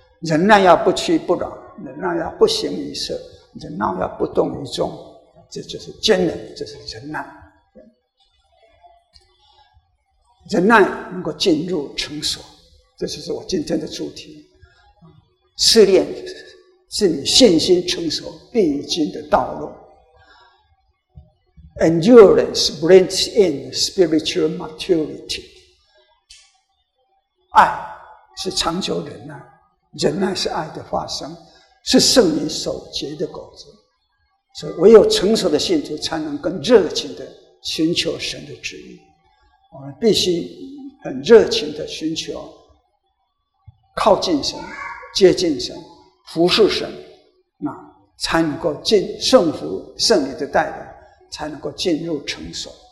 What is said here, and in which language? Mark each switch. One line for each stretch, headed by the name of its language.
Chinese: 忍耐要不屈不挠，忍耐要不形于色，忍耐要不动于衷，这就是坚韧，这是忍耐。忍耐能够进入成熟，这就是我今天的主题。试炼是你信心成熟必经的道路。
English: Endurance brings in spiritual maturity.
Chinese: 爱是长久忍耐，忍耐是爱的化身，是圣灵所结的果子。所以唯有成熟的信徒才能更热情地寻求神的旨意。我们必须很热情地寻求，靠近神，接近神，服侍神，那才能够进圣服圣灵的带领，才能够进入成熟。